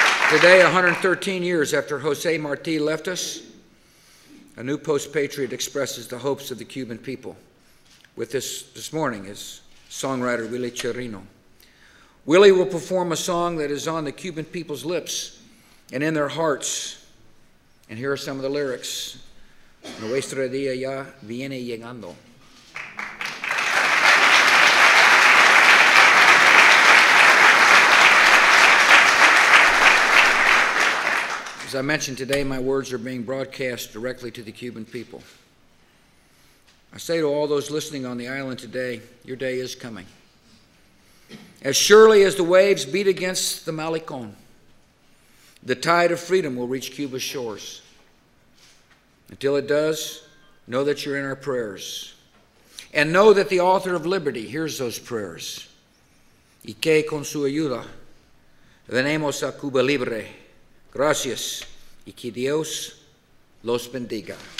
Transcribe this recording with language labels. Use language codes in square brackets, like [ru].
[en] Today, 113 years after José Martí left us, a new post-patriot expresses the hopes of the Cuban people. With us this morning is songwriter Willie Chirino. Willie will perform a song that is on the Cuban people's lips and in their hearts. And here are some of the lyrics. [es] Nuestro día ya viene llegando. [en] As I mentioned today, my words are being broadcast directly to the Cuban people. I say to all those listening on the island today, your day is coming. As surely as the waves beat against the Malecón, the tide of freedom will reach Cuba's shores. Until it does, know that you're in our prayers. And know that the author of liberty hears those prayers. [es] Y que con su ayuda, venemos a Cuba libre. Gracias, y que Dios los bendiga.